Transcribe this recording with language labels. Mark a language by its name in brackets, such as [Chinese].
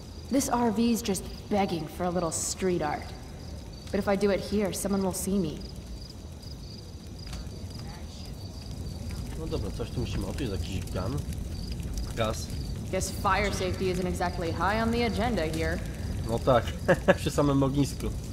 [English] This RV's just begging for a little street art. But if I do it here, someone will see me. [Polish] No dobra, coś tu musimy opić, jakiś gun. Gaz. [English] Guess fire safety isn't exactly high on the agenda here. [Polish] No tak, przy samym ognisku.